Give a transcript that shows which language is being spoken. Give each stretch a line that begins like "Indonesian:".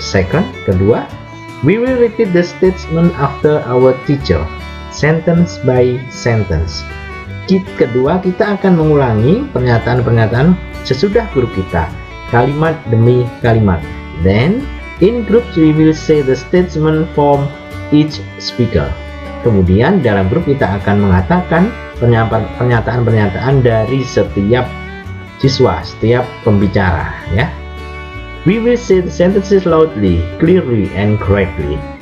English: Second,
Indonesian: kedua,
English: we will repeat the statement after our teacher, sentence by sentence.
Indonesian: Kedua, kita akan mengulangi pernyataan-pernyataan sesudah guru kita, kalimat demi kalimat.
English: Then, in groups we will say the statement from each speaker.
Indonesian: Kemudian, dalam grup kita akan mengatakan pernyataan-pernyataan dari setiap siswa, setiap pembicara, ya.
English: We will say the sentences loudly, clearly, and correctly.